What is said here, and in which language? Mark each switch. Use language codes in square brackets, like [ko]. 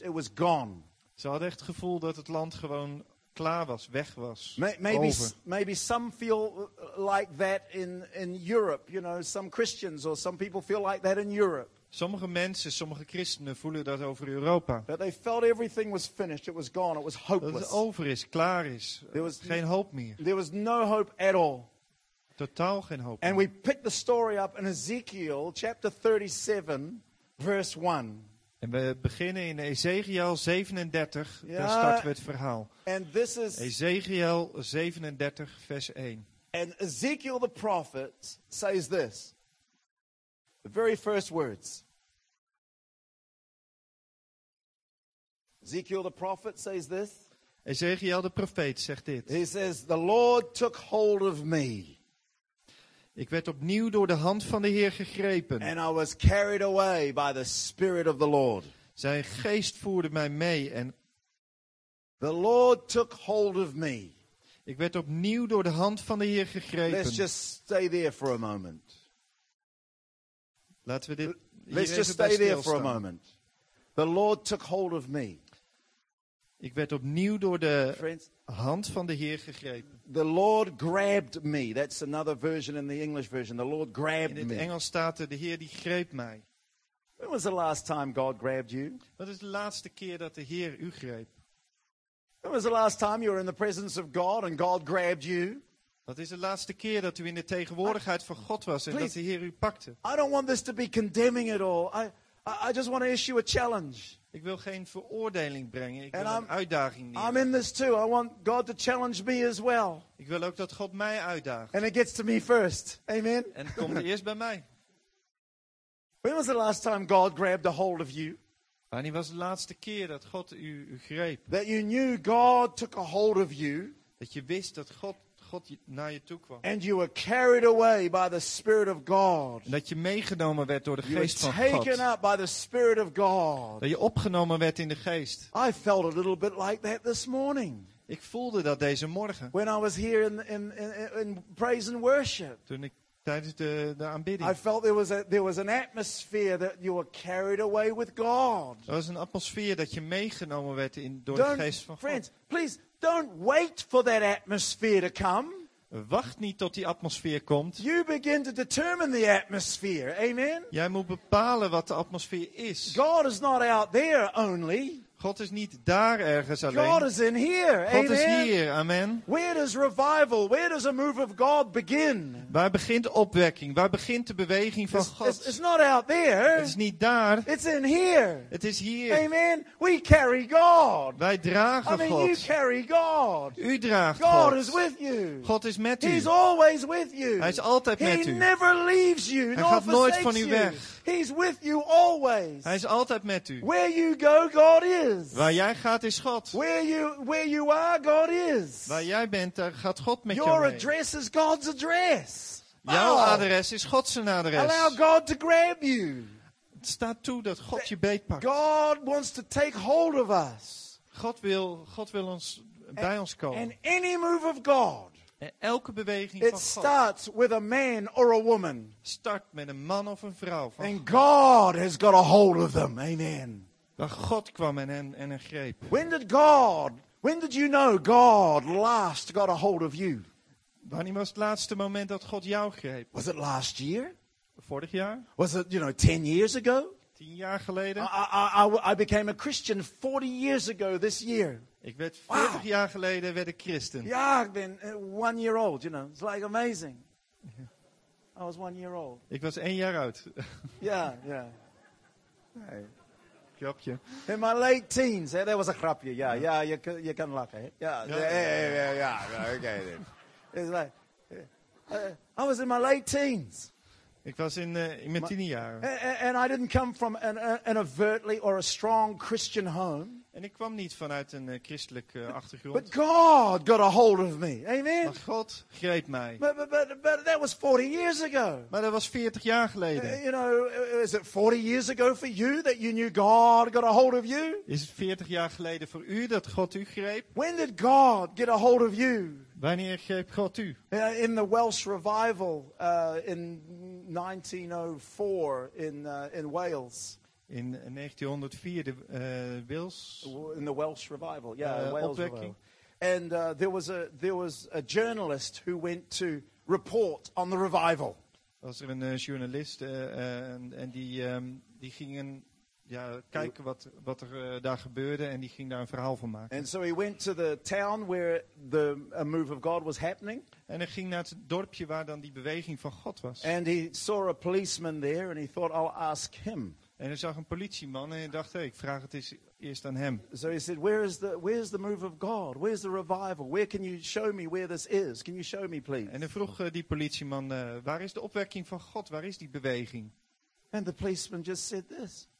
[en] It was gone. [nl] Ze hadden echt het gevoel dat het land gewoon klaar was, weg was. [en] Maybe some feel like that in Europe, you know, some Christians or some people feel like that in Europe. [nl] Sommige mensen, sommige christenen voelen dat over Europa. [en] But they felt everything was finished, it was gone, it was hopeless. [nl] Dat het over is, klaar is. [en] There was [nl] geen hoop meer. [en] There was no hope at all. [nl] Totaal geen hoop. [en] And we pick the story up in Ezekiel chapter 37 verse 1. [nl] En we beginnen in Ezekiel 37, daar starten we het verhaal. [en] And this is [nl] Ezekiel 37, vers 1. [en] And Ezekiel the prophet says this. The very first words. Ezekiel the prophet says this. [nl] Ezekiel de profeet zegt dit. [en] He says, the Lord took hold of me. [nl] Ik werd opnieuw door de hand van de Heer gegrepen. [en] And I was carried away by the Spirit of the Lord. [nl] Zijn geest voerde mij mee en [en] the Lord took hold of me. [nl] Ik werd opnieuw door de hand van de Heer gegrepen. [en] Let's just stay there for a moment. [nl] Laten we dit hier [en] let's just stay there for a moment. The Lord took hold of me. [nl] Ik werd opnieuw door de hand van de Heer gegrepen. [en] The Lord grabbed me. That's another version in the English version. The Lord grabbed me. [nl] In het Engels staat er, de Heer die greep mij. [en] When was the last time God grabbed you? [nl] Wat is de laatste keer dat de Heer u greep? [en] When was the last time you were in the presence of God and God grabbed you? [nl] Wat is de laatste keer dat u in de tegenwoordigheid van God was en dat de Heer u pakte? [en] I don't want this to be condemning at all. I just want to issue a challenge. [nl] Ik wil geen veroordeling brengen. Ik wil een uitdaging nemen. [en] I'm in this too. I want God to challenge me as well. [nl] Ik wil ook dat God mij uitdaagt. [en] And it gets to me first. Amen. [nl] En het komt eerst bij mij. [en] When was the last time God grabbed a hold of you? [nl] Wanneer was de laatste keer dat God u greep? [en] That you knew God took a hold of you. [nl] Dat je wist dat God naar je toe kwam. [en] And you were carried away by the Spirit of God. [nl] Dat je meegenomen werd door de [en] you [nl] geest van God. [en] Taken up by the Spirit of God. [nl] Dat je opgenomen werd in de geest. [en] I felt a little bit like that this morning. [nl] Ik voelde dat deze morgen. [en] When I was here in praise and worship. [nl] Toen ik tijdens de aanbidding. [en] I felt there was an atmosphere that you were carried away with God. [nl] Er was een atmosfeer dat je meegenomen werd door de geest van God. [en] Friends, please. Don't wait for that atmosphere to come. [nl] Wacht niet tot die atmosfeer komt. [en] You begin to determine the atmosphere. Amen. [nl] Jij moet bepalen wat de atmosfeer is. [en] God is not out there only. [nl] God is niet daar ergens alleen. [en] God is in here. [nl] God amen. Is hier. Amen. [en] Where does revival, where does a move of God begin? [nl] Waar begint opwekking? Waar begint de beweging van God? [en] It's not out there. [nl] Het is niet daar. [en] It's in here. [nl] Het is hier. [en] Amen. We carry God. [nl] Wij dragen God. [en] I mean, God. You carry God. [nl] U draagt God. [en] God is with you. [nl] God is met u. [en] He's always with you. [nl] Hij is altijd [en] He [nl] met u. [en] He never leaves you. [nl] Hij gaat nooit van u [en] you. [nl] Weg. [en] He's with you always. [nl] Hij is altijd met u. [en] Where you go, God is. is. [nl] Waar jij gaat is God. [en] Where you are, God is. [nl] Waar jij bent, daar gaat God met [en] Your [nl] jou mee. [en] Your address is God's address. [nl] Jouw adres is Gods adres. [en] Allow God to grab you. [nl] Het staat toe dat God je beetpakt. [en] God wants to take hold of us. [nl] God wil ons bij ons komen. [en] And any move of God. [nl] Elke beweging van God. [en] It starts with a man or a woman. [nl] Start met een man of een vrouw. [en] And God has got a hold of them. Amen. [nl] Waar God kwam en een greep. [en] When did you know God last got a hold of you? [nl] Wanneer was het laatste moment dat God jou greep? [en] Was it last year? [nl] Vorig jaar? [en] Was it, you know, 10 years ago? [nl] 10 jaar geleden. [en] I became a Christian 40 years ago this year. [nl] Ik werd 40 jaar geleden werd ik christen. Ja, ik ben [en] 1 year old, you know. It's like amazing. I was 1 year old. [nl] Ik was 1 jaar oud. Ja, ja. Hey. Grapje. [en] In my late teens, hey, that was a grapje. Ja, yeah, ja, yeah, [nl] je kan lachen. Ja, oké. [en] It's like, I was in my late teens. [nl] Ik was in mijn tiende jaar. [en] And I didn't come from an overtly or a strong Christian home. [nl] En ik kwam niet vanuit een christelijke achtergrond. [en] But God got a hold of me. Amen. [nl] Maar God greep mij. [en] But that was 40 years ago. [nl] Maar dat was 40 jaar geleden. [en] You know, is it 40 years ago for you that you knew God got a hold of you? [nl] Is het 40 jaar geleden voor u dat God u greep? [en] When did God get a hold of you? [nl] Wanneer greep God u? [en] In the Welsh revival in 1904 in Wales. [nl] In 1904 de Wales. [en] In the Welsh revival, yeah, [nl] Wales opwekking. [en] Revival. And there was a journalist who went to report on the revival. [nl] Was er een journalist en die ging kijken wat er daar gebeurde en die ging daar een verhaal van maken. [en] And so he went to the town where a move of God was happening. [nl] En hij ging naar het dorpje waar dan die beweging van God was. [en] And he saw a policeman there and he thought I'll ask him. [nl] En hij zag een politieman en hij dacht, hey, ik vraag het eerst aan hem. [en] So he said, where is the move of God? Where's the revival? Where can you show me where this is? Can you show me, please? [nl] En hij vroeg die politieman, waar is de opwekking van God? Waar is die beweging? [en] And the policeman just said this.